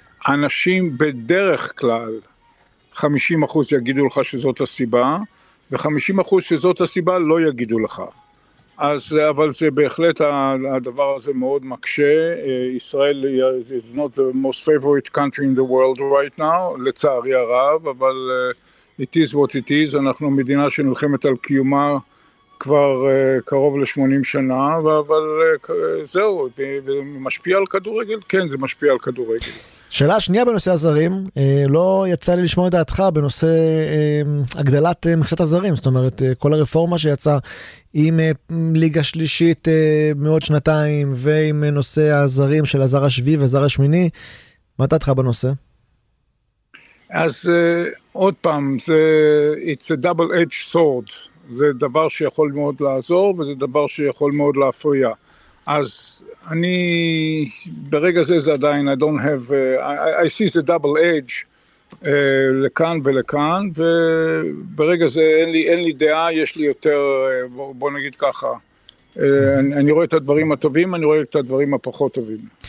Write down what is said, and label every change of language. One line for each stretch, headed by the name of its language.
Hebrew: אנשים בדרך כלל, 50% יגידו לך שזאת הסיבה, ו-50% שזאת הסיבה לא יגידו לך. אז, אבל זה בהחלט, הדבר הזה מאוד מקשה.
English: ישראל is not the most favorite country in the world right now,
Hebrew: לצערי הרב, אבל
English: it is what it is.
Hebrew: אנחנו מדינה שנלחמת על קיומה, כבר קרוב ל-80 שנה, אבל זהו, ומשפיע על כדורגל? כן, זה משפיע על כדורגל. שאלה שנייה בנושא הזרים, לא יצא לי לשמוע את דעתך בנושא הגדלת מכסת הזרים, זאת אומרת, כל הרפורמה שיצא עם ליגה שלישית מאות שנתיים, ועם נושא הזרים של הזר השביעי והזר השמיני, מה דעתך בנושא? אז עוד פעם,
English: it's a double-edged sword.
Hebrew: זה דבר שיכול מאוד לעזור, וזה דבר שיכול מאוד להפריע. אז אני, ברגע זה זה עדיין,
English: I don't have, I see the double edge
Hebrew: לכאן ולכאן, וברגע זה אין לי דעה, יש לי יותר, בוא נגיד ככה, אני רואה את הדברים הטובים, אני רואה את הדברים הפחות טובים.